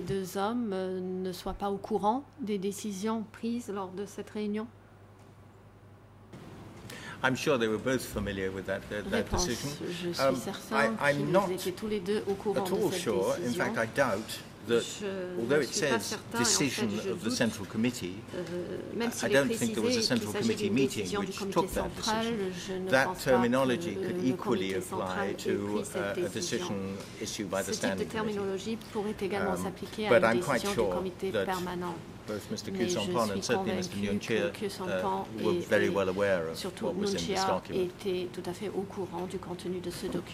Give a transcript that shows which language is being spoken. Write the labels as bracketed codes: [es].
[fr] Ces deux hommes ne soient pas au courant des décisions prises lors de cette réunion? [en] I'm sure they were both familiar with that decision. [fr] Je suis certain qu'ils étaient tous les deux au courant de cette décision. [en] In fact, I doubt that although it says decision of the Central Committee, I don't think there was a Central Committee meeting which took that decision. That terminology could equally apply to a decision issued by the Standing Committee. But I'm quite sure that both Mr. Kyusampan and certainly Mr. Nunchia were very well aware of what was in this document. [fr] Tout à fait au courant du contenu de ce document.